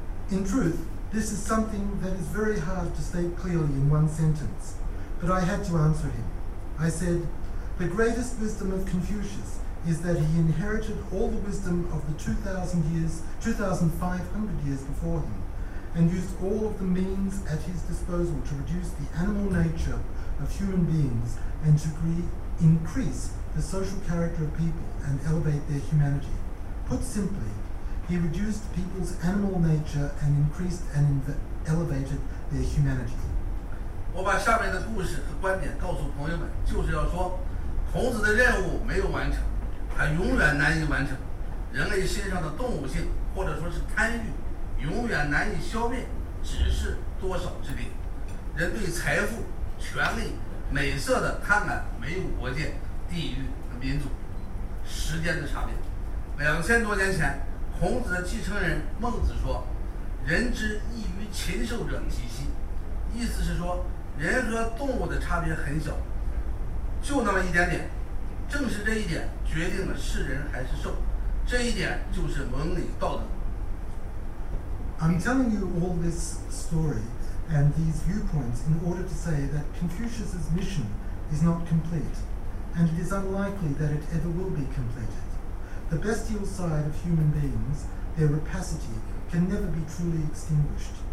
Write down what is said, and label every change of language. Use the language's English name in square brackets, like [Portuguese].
[English] In truth,This is something that is very hard to state clearly in one sentence, but I had to answer him. I said, The greatest wisdom of Confucius is that he inherited all the wisdom of the 2,500 years before him, and used all of the means at his disposal to reduce the animal nature of human beings and to increase the social character of people and elevate their humanity. Put simply, he reduced people's animal nature and increased and elevated their humanity. [Chinese] 我把下面的故事和观点告诉朋友们，就是要说，孔子的任务没有完成，他永远难以完成。人类身上的动物性，或者说是贪欲，永远难以消灭，只是多少之敌。人对财富、权力、美色的贪婪没有国界、地域和民族、时间的差别。 2000多年前，孔子的继承人孟子说：“人之异于禽兽者，几兮？” 意思是说，人和动物的差别很小，就那么一点点。正是这一点决定了是人还是兽，这一点就是伦理道德。 [English] I'm telling you all this story and these viewpoints in order to say that Confucius's mission is not complete, and it is unlikely that it ever will be completed. The bestial side of human beings, their rapacity, can never be truly extinguished.